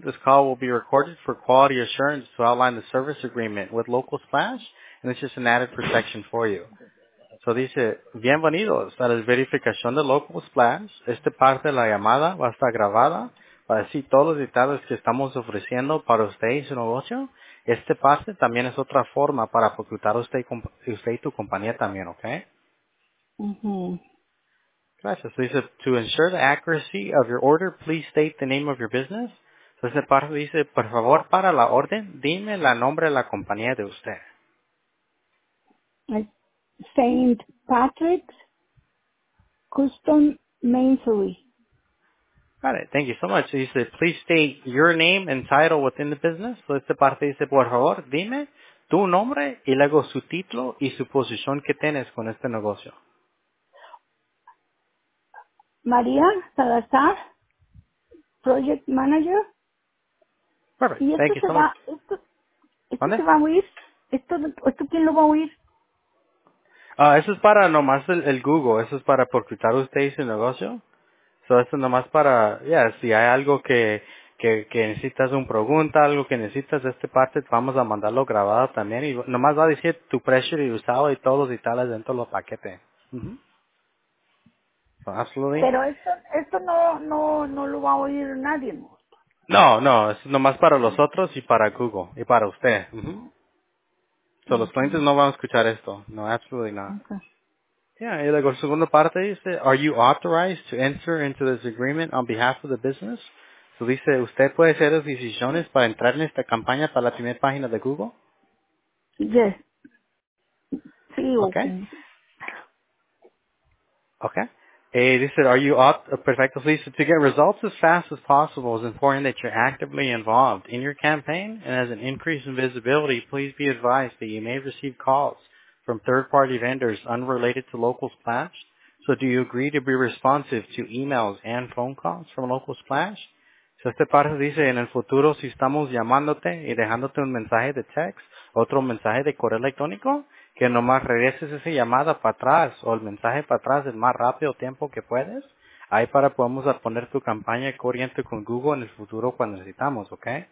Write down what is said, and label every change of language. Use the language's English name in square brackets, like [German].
[English] This call will be recorded for quality assurance to outline the service agreement with Local Splash, and it's just an added protection for you. [Spanish] So dice, bienvenidos a la verificación de Local Splash. Esta parte de la llamada va a estar grabada para decir todos los detalles que estamos ofreciendo para usted y su negocio. Esta parte también es otra forma para facultar usted y tu compañía también, ¿ok? Uh-huh. Gracias. [English] So [Spanish] dice, [English] to ensure the accuracy of your order, please state the name of your business. [Spanish] So esta parte dice, por favor, para la orden, dime el nombre de la compañía de usted. [English] St. Patrick's Custom Masonry. Got it. Thank you so much. He said, please state your name and title within the business. [Spanish] So, esta parte dice, por favor, dime tu nombre y luego su título y su posición que tienes con este negocio. [English] María Salazar, Project Manager. Perfect. Thank you so much. [Spanish] ¿Esto se va a oír? ¿Esto quién lo va a oír? Eso es para nomás el Google, eso es para procurar usted y su negocio. So, eso es nomás para, ya, yeah, si hay algo que necesitas una pregunta, algo que necesitas de esta parte, vamos a mandarlo grabado también. Y nomás va a decir tu precio y usado y todos los detalles dentro de los paquetes. [English] Uh-huh. So, absolutely. [Spanish] Pero esto no lo va a oír nadie. No, es nomás para los otros y para Google y para usted. Uh-huh. So, los clientes no van a escuchar esto. [English] No, absolutely not. Okay. Yeah, [Spanish] y luego la segunda parte dice, [English] are you authorized to enter into this agreement on behalf of the business? [Spanish] So, dice, ¿usted puede hacer las decisiones para entrar en esta campaña para la primera página de Google? [English] Yes. Sí, okay. Hey, [Spanish] dice, [English] are you perfecto? So, dice, to get results as fast as possible is important that you're actively involved in your campaign and as an increase in visibility, please be advised that you may receive calls from third-party vendors unrelated to Local Splash. So, do you agree to be responsive to emails and phone calls from Local Splash? [Spanish] So, esta parte dice, en el futuro, si estamos llamándote y dejándote un mensaje de text, otro mensaje de correo electrónico, que nomás regreses esa llamada para atrás o el mensaje para atrás el más rápido tiempo que puedes, ahí para podemos poner tu campaña corriente con Google en el futuro cuando necesitamos, ¿ok?